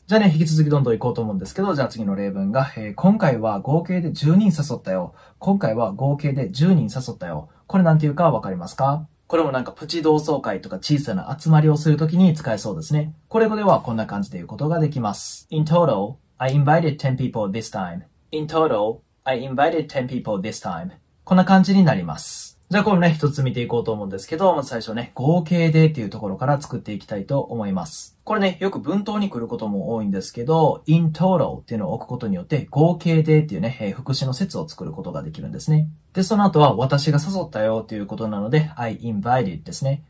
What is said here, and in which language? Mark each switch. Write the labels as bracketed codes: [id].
[ja] じゃあね、引き続きどんどん行こうと思うんですけど、じゃあ次の例文が、今回は合計で10人誘ったよ、今回は合計で10人誘ったよ、これなんていうかわかりますか？これもなんかプチ同窓会とか小さな集まりをするときに使えそうですね。これ語ではこんな感じで言うことができます。 [en] in total I invited 10 people this time、 in totalI invited 10 people this time. [ja] こんな感じになります。じゃあこれね、一つ見ていこうと思うんですけど、まず最初ね、合計でっていうところから作っていきたいと思います。これね、よく文頭に来ることも多いんですけど、 [en] in total [ja] っていうのを置くことによって、合計でっていうね、副詞の説を作ることができるんですね。で、その後は私が誘ったよっていうことなので、 [en] I invited [ja] ですね。